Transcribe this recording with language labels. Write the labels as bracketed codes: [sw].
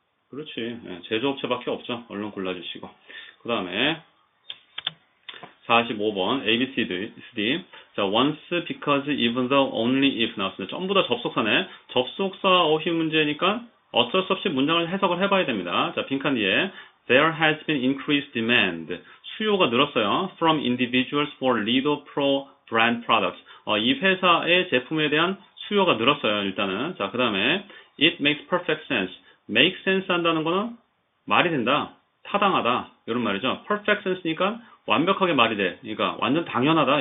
[ko] 그렇지. 제조업체밖에 없죠. 얼른 골라주시고. 그 다음에 45번 ABCD. 자, once, because, even, though, only, if 나왔습니다. 전부 다 접속사네. 접속사 어휘 문제니까 어쩔 수 없이 문장을 해석을 해봐야 됩니다. 자, 빈칸 뒤에 [en] there has been increased demand. [ko] 수요가 늘었어요. [en] from individuals for lead pro brand products. [ko] 이 회사의 제품에 대한 수요가 늘었어요. 일단은. 자, 그 다음에 [en] it makes perfect sense. [ko] make sense 한다는 거는 말이 된다. 타당하다. 이런 말이죠. perfect sense니까 완벽하게 말이 돼. 그러니까 완전 당연하다.